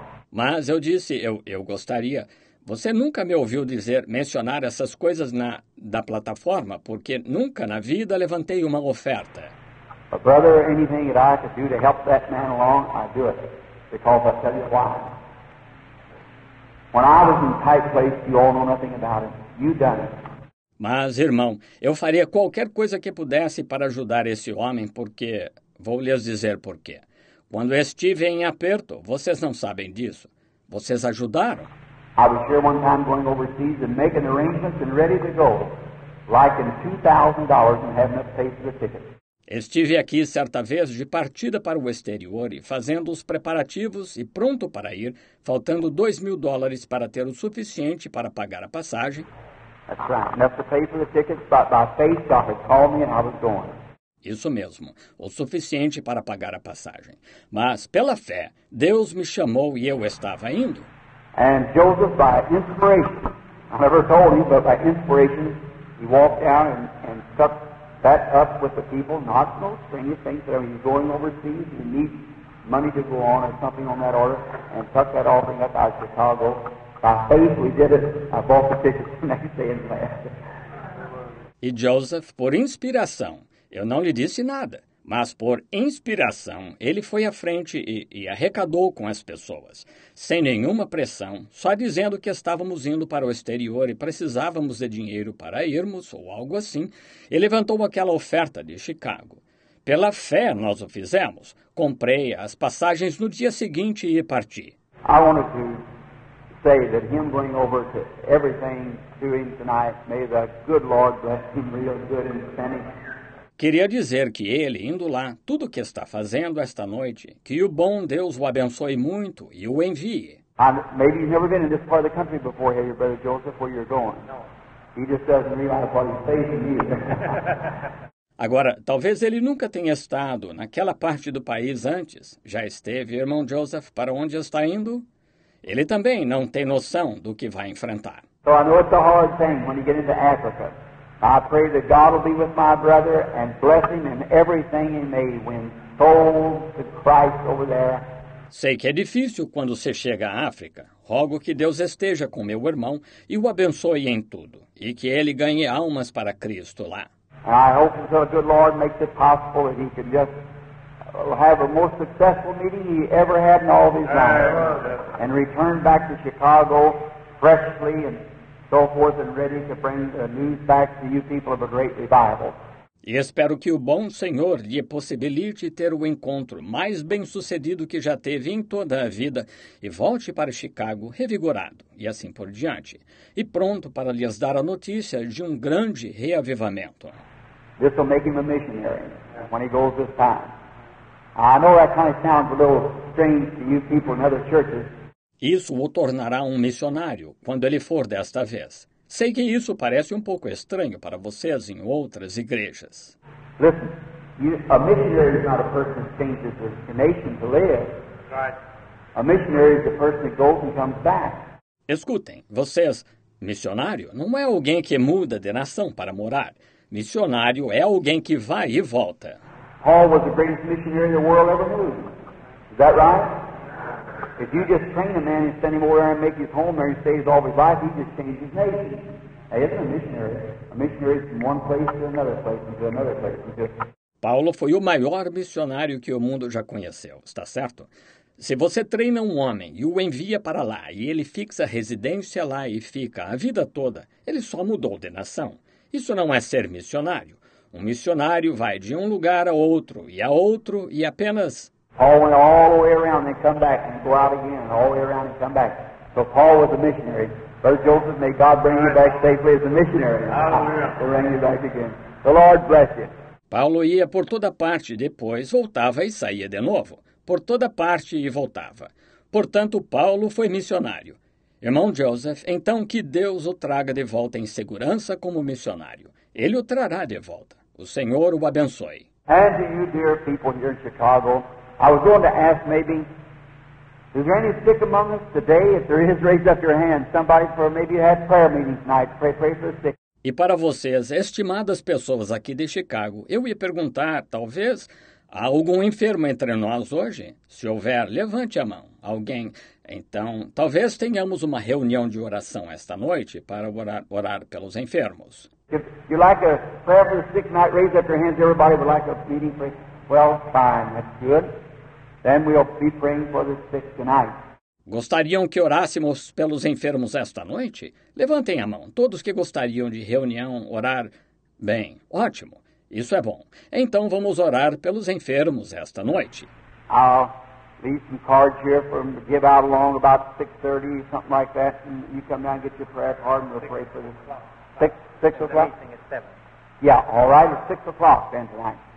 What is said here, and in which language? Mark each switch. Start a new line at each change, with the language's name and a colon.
Portuguese: Mas eu disse, eu gostaria, você nunca me ouviu dizer, mencionar essas coisas da plataforma, porque nunca na vida levantei uma oferta. Mas,
English: brother, anything that I could do to help that man along, I do it, because I tell you why. When I was in tight place, you all know nothing about it. You done it.
Portuguese: Mas, irmão, eu faria qualquer coisa que pudesse para ajudar esse homem, porque, vou lhes dizer por quê. Quando estive em aperto, vocês não sabem disso. Vocês ajudaram.
English: I was here one time going overseas and making arrangements and ready to go, like in $2,000 and having to pay for the ticket.
Portuguese: Estive aqui certa vez de partida para o exterior e fazendo os preparativos e pronto para ir, faltando $2,000 para ter o suficiente para pagar a passagem.
English: That's right. Enough to pay for the tickets, but by faith God had called me and I was going.
Portuguese: Isso mesmo, o suficiente para pagar a passagem. Mas, pela fé, Deus me chamou e eu estava indo.
English: And Joseph, by inspiration, I never told him, but by inspiration, he walked down and stuck that up with the people, not so strange things that you're going overseas, you need money to go on or something on that order, and tuck that offering up out of Chicago. By faith we did it. I bought the tickets the next day and left.
Portuguese: E Joseph, por inspiração, eu não lhe disse nada, Mas por inspiração, ele foi à frente e arrecadou com as pessoas, sem nenhuma pressão, só dizendo que estávamos indo para o exterior e precisávamos de dinheiro para irmos, ou algo assim, e levantou aquela oferta de Chicago. Pela fé, nós o fizemos. Comprei as passagens no dia seguinte e parti.
English: I wanted to say that him going over to everything to him tonight, may the good Lord bless him real good and plenty.
Portuguese: Queria dizer que ele, indo lá, tudo o que está fazendo esta noite, que o bom Deus o abençoe muito e o envie.
English: Maybe you've never been in this part of the country before, have you, Brother Joseph, where you're going? No. He just doesn't realize what he's facing you.
Portuguese: Agora, talvez ele nunca tenha estado naquela parte do país antes. Já esteve, irmão Joseph, para onde está indo? Ele também não tem noção do que vai enfrentar.
English: So I know it's a hard thing when you get into Africa. I pray that God will be with my brother and bless him in everything he may win souls to Christ over there.
Portuguese: Sei que é difícil quando você chega à África. Rogo que Deus esteja com meu irmão e o abençoe em tudo, e que ele ganhe almas para Cristo lá.
English: And I hope that the good Lord makes it possible that he can just have the most successful meeting he ever had in all of his life and return back to Chicago freshly and so forth and ready to bring the news back to you people of a great revival.
Portuguese: E espero que o bom Senhor lhe possibilite ter o encontro mais bem-sucedido que já teve em toda a vida e volte para Chicago revigorado, e assim por diante, e pronto para lhes dar a notícia de um grande reavivamento.
English: This will make him a missionary when he goes this time. I know that kind of sounds a little strange to you people in other churches.
Portuguese: Isso o tornará um missionário quando ele for desta vez. Sei que isso parece um pouco estranho para vocês em outras igrejas.
English: Listen, a missionary is not a person who changes the nation to live. Right. A missionary is a person who goes and comes back.
Portuguese: Escutem, vocês, missionário não é alguém que muda de nação para morar. Missionário é alguém que vai e volta.
English: Paul was the greatest missionary the world ever knew. Is that right? If you just train a man and send him over there and make his home there, he stays all his life, he just changes his nation. Now, he isn't a missionary. A missionary is from one place to another place, to another place.
Portuguese: Paulo foi o maior missionário que o mundo já conheceu, está certo? Se você treina um homem e o envia para lá e ele fixa residência lá e fica a vida toda, ele só mudou de nação. Isso não é ser missionário. Um missionário vai de um lugar a outro e apenas...
English: Paul went all the way around and come back and go out again, all the way around and come back. So Paul was a missionary. Brother Joseph, may God bring you back safely as a missionary. Hallelujah. We'll bring you back again. The Lord bless you.
Portuguese: Paulo ia por toda parte, depois voltava e saía de novo. Por toda parte e voltava. Portanto, Paulo foi missionário. Irmão Joseph, então que Deus o traga de volta em segurança como missionário. Ele o trará de volta. O Senhor o abençoe.
English: And to you, dear people here in Chicago, I was going to ask maybe, is there any sick among us today? If there is, raise up your hand. Somebody for maybe you had prayer meeting tonight. Pray for the sick.
Portuguese: E para vocês, estimadas pessoas aqui de Chicago, eu ia perguntar, talvez, há algum enfermo entre nós hoje? Se houver, levante a mão. Alguém. Então, talvez tenhamos uma reunião de oração esta noite para orar pelos enfermos.
English: If you like a prayer for the sick tonight, raise up your hands. Everybody would like a meeting for well, fine, that's good. Then we'll be praying for the sick tonight.
Portuguese: Gostariam que orássemos pelos enfermos esta noite? Levantem a mão, todos que gostariam de reunião, orar. Bem, ótimo, isso é bom. Então vamos orar pelos enfermos esta noite.
English: I'll leave some cards here for them to give out along about 6:30, something like that. And you come down and get your prayer card and we'll pray for the sick. 6 o'clock? The meeting is 7. Yeah, all right, it's 6 o'clock then tonight.